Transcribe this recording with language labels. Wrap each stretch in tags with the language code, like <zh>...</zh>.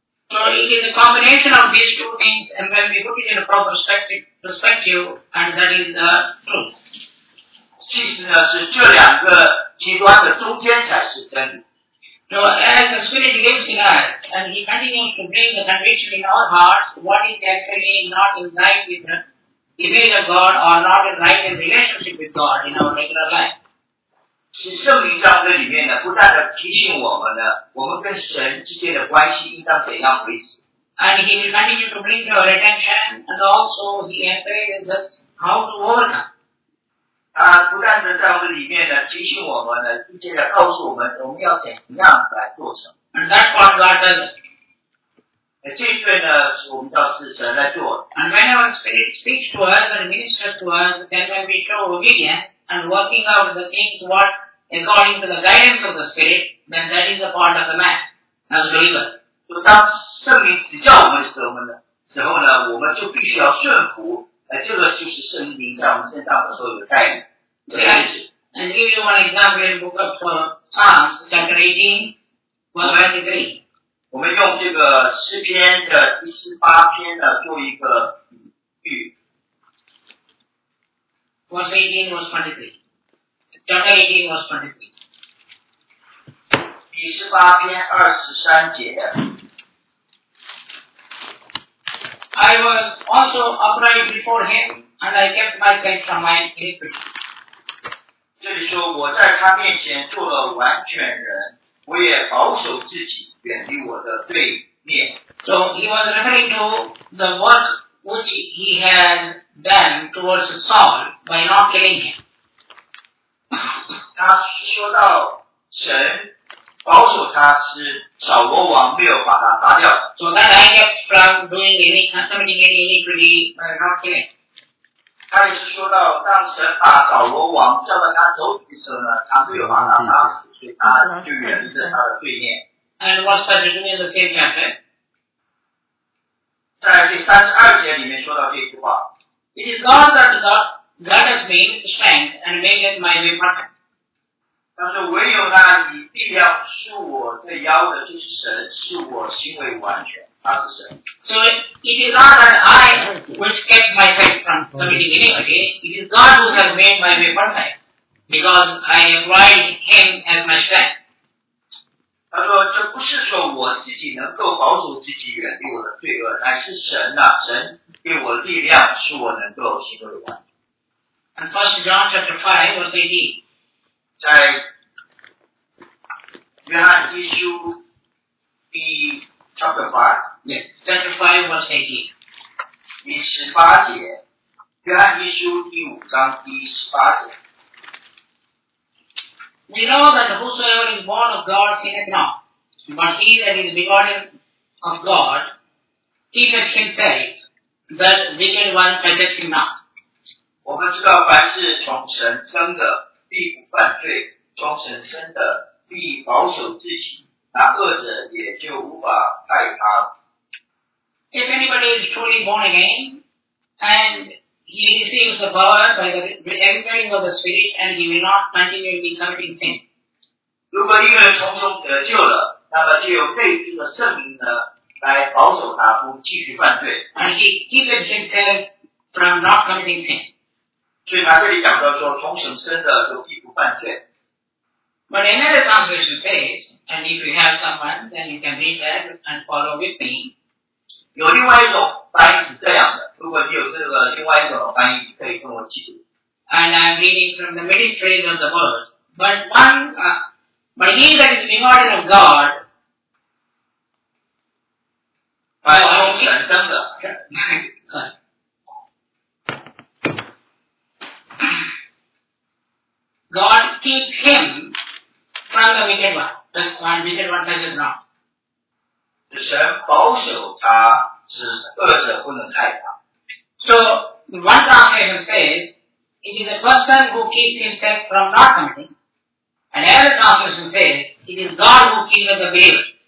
<en>So it is a combination of these two things, and when we put it in a proper perspective, and that is the truth.</en> <zh>其实呢，是这两个极端的中间才是真理。</zh> <en>So as the Spirit lives in us, and He continues to bring the conviction in our hearts, what is actually not in right with the image of God, or not in right in relationship with God in our regular life.</en> <zh>是圣灵在我们里面呢，不断的提醒我们呢，我们跟神之间的关系应当怎样维持。</zh> <en>And He will continue to bring our attention, and also He encourages us how to overcome.</en> <zh>不断的在我们里面呢提醒我们呢，并且告诉我们我们要怎样来做什么。</zh> <en>And that's what God does.</en> <zh>这一对呢是我们叫是神来做的。</zh> <en>And when our Spirit speaks to us and ministers to us, then when we show obedience and working out the things what according to the guidance of the Spirit, then that is the part of the man as believer.</en> <zh>就当圣灵指教我们的时候呢，我们就必须要顺服。这个就是圣灵在我们身上的时候有带领的样子。</zh> <en>And give you one example in book of Psalms, chapter 18, verse 23.</en> <zh>我们用这个诗篇的第十八篇的做一个比喻。</zh> <en>Verse 18, verse 23. Chapter 18, verse 23.</en> <zh>第十八篇二十三节的。</zh> <en>I was also upright before him, and I kept myself from my iniquity.</en> <zh>这里说我在他面前做了完全人，我也保守自己，远离我的罪孽。</zh> <en>So he was referring to the work which he had done towards Saul by not killing him.</en> <zh>他说到神保守他是扫罗王没有把他杀掉。</zh> <en>So that I kept from doing any committing any iniquity by not killing.</en> <zh>他也是说到，当神把扫罗王交到他手里时呢，他没有把他杀死，所以他就远离了他的罪孽。</zh> <en>And what's that doing in the same chapter?</en> <zh>在第三十二节里面说到这句话。</zh> <en>It is God that God has made strength and made it my way perfect.</en> <zh>他说唯有那以力量束我的腰的，就是神，是我行为完全。</zh> <en>So it is not that I which kept my faith from committing iniquity, it is God who has made my way perfect, because I applied Him as my strength.</en> <zh>他说这不是说我自己能够保守自己远离我的罪恶，乃是神呐、啊，神给我力量，使我能够行得完。</zh> <en>And First John chapter 5 verse 18,</en> <zh>在约翰一书第</zh> <en>Chapter 5, yes, chapter 5 verse 18.</en> <zh>第十八节，约翰一书第五章第十八节。</zh> <en>We know that whosoever is born of God sinneth not, but he that is begotten of God keepeth himself, that wicked one touches him not.</en> <zh>我们知道凡是从神生的必不犯罪，从神生的必保守自己。那恶者也就无法害他。</zh> <en>If anybody is truly born again, and he receives the power by the entering of the Spirit, and he will not continue in committing sin.</en> <zh>如果一个人从中得救了，那么就有被这个圣灵呢来保守他，不继续犯罪。</zh> <en>And he keeps himself from not committing sin.</en> <zh>所以他这里讲到说，从神生的都必不犯罪。</zh> <en>But another translation says, and if you have someone, then you can read that and follow with me.</en> <zh>有另外一种翻译是这样的，如果你有这个另外一种翻译，可以跟我记住。</zh> <en>And I'm reading from the middle phrase of the verse. But one, but he that is begotten of God, by whom he is born. God keeps him. From the wicked one, the wicked one touches not.</en> <zh>神保守他，使恶者不能害他。</zh> <en>So one translation says, it is a person who keeps himself from not committing, and another translation says, it is God who keeps the believer.</en>